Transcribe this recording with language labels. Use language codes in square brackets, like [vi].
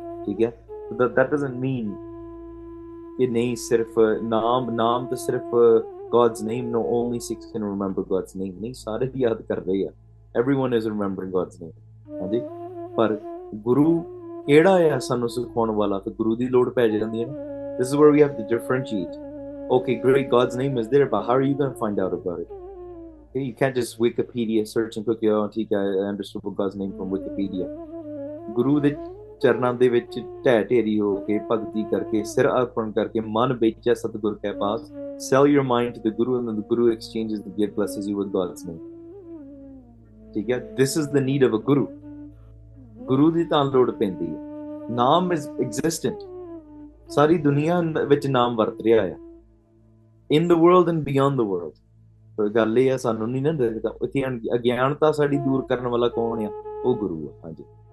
[pa] ਠੀਕ ਹੈ, [en] that doesn't mean [pa] ਕਿ ਨਹੀਂ ਸਿਰਫ ਨਾਮ, ਨਾਮ ਤਾਂ ਸਿਰਫ [en] God's name, no only Sikhs can remember God's name, [pa] ਨਹੀਂ ਸਾਰੇ ਵੀ ਯਾਦ ਕਰ ਰਹੇ ਆ, [en] Everyone is remembering God's name. [pa] ਹਾਂਜੀ, ਪਰ ਗੁਰੂ ਕਿਹੜਾ ਆ ਸਾਨੂੰ ਸਿਖਾਉਣ ਵਾਲਾ, ਤੇ ਗੁਰੂ ਦੀ ਲੋੜ ਪੈ ਜਾਂਦੀ ਹੈ। [en] This is where we have the different ਚੀਜ਼। Okay, great, God's name is there, but how are you going find out about it? You can't just Wikipedia search and okay, oh, [pa] theek hai, [en] I understood what God's name from Wikipedia. [pa] ਗੁਰੂ ਦੇ ਚਰਨਾਂ ਦੇ ਵਿੱਚ ਤੇ ਤੇਰੀ ਹੋ ਕੇ ਭਗਤੀ ਕਰਕੇ ਸਿਰ ਅਰਪਣ ਕਰਕੇ ਮਨ ਵਿੱਚ ਸਤਿਗੁਰ ਕੇ ਪਾਸ, [en] sell your mind to the guru and then the guru exchanges the gift, blesses you with God's name. [pa] Theek hai, [en] this is the need of a guru. [pa] ਗੁਰੂ ਦੀ ਤਾਂ ਲੋੜ ਪੈਂਦੀ ਹੈ, [en] naam is existent, [pa] ਸਾਰੀ ਦੁਨੀਆ ਵਿੱਚ ਨਾਮ ਵਰਤ ਰਿਹਾ ਹੈ, [en] in the world and beyond the world. [pa] ਗੱਲ ਇਹ ਆ ਸਾਨੂੰ ਨੀ ਨਾ ਦੇਖਦਾ ਉੱਥੇ, ਅਗਿਆਨਤਾ ਸਾਡੀ ਦੂਰ ਕਰਨ ਵਾਲਾ ਕੌਣ ਆ? ਉਹ ਗੁਰੂ ਆ। ਹਾਂਜੀ,